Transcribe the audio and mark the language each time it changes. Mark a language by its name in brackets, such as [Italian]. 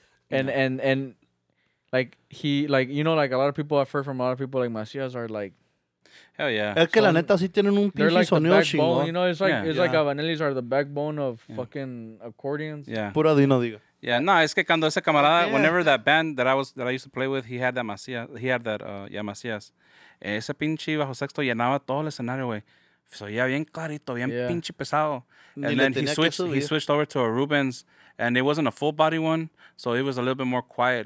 [English] And like he, like, you know, like a lot of people, I've heard from a lot of people, like Macías are like, hell yeah. [Spanish] Es que so, la neta sí tienen un pinche like sonido chingón. [English] You know, it's like, yeah. It's yeah. Like Avanelis are the backbone of yeah. Fucking accordions. Yeah. [Spanish] Pura Dino, diga. Yeah, no, es que cuando ese camarada, yeah. [English] Whenever that band that I used to play with, he had that Macías, he had that, yeah, Macías. [Spanish] Ese pinche bajo sexto llenaba todo el escenario, güey. Se oía bien clarito, bien yeah. Pinche pesado. [English] And then he switched over to a Rubens, and it wasn't a full body one, so it was a little bit more quiet.